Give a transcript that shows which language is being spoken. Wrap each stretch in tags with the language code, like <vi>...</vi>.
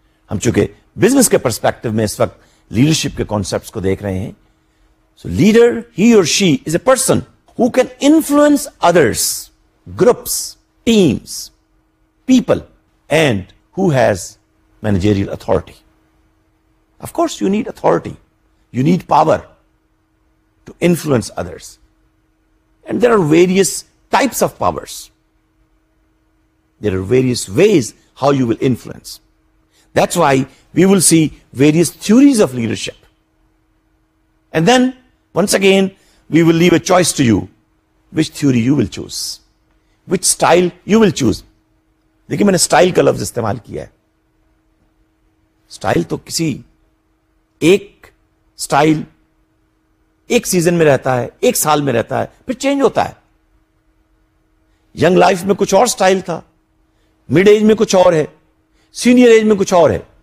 <ur>ہم چونکہ بزنس کے پرسپیکٹو میں اس وقت لیڈرشپ کے کانسیپٹس کو دیکھ رہے ہیں.</ur> <en>So leader, he or she is a person who can influence others, groups, teams, people, and who has managerial authority. Of course you need authority, you need power to influence others, and there are various types of powers, there are various ways how you will influence. That's why we will see various theories of leadership, and then once again we will leave a choice to you, which theory you will choose, which style you will choose.</en> <ur>Dekhi maine style ka lafz istemal kiya hai. Style تو کسی ایک style ایک season میں رہتا ہے، ایک سال میں رہتا ہے، پھر چینج ہوتا ہے. ینگ لائف میں کچھ اور اسٹائل تھا، مڈ ایج میں کچھ اور ہے، سینئر ایج میں کچھ اور ہے.</ur>